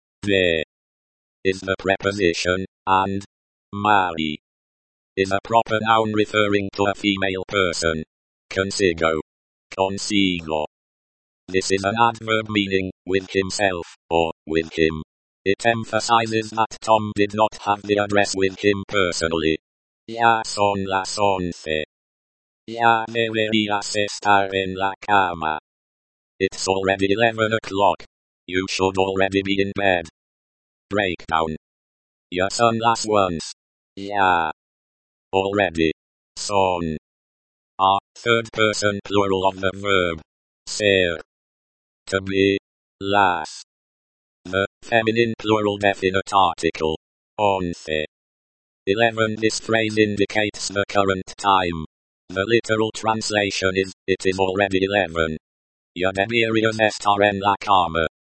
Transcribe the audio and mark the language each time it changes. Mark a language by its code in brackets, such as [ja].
[en] De is the preposition, and Mari is a proper noun referring to a female person. Consigo. Consigo. This is an adverb meaning, with himself, or, with him. It emphasizes that Tom did not have the address with him personally. [es] Ya son las once. Ya deberías estar en la cama. [en] It's already 11 o'clock. You should already be in bed. Breakdown. [es] Ya son las once. [en] Ya. Already. Son. Are, third person plural of the verb. Ser. To be. Las. The, feminine plural definite article. Once. 11. This phrase indicates the current time. The literal translation is, it is already 11. [es] Ya deberías estar en la cama.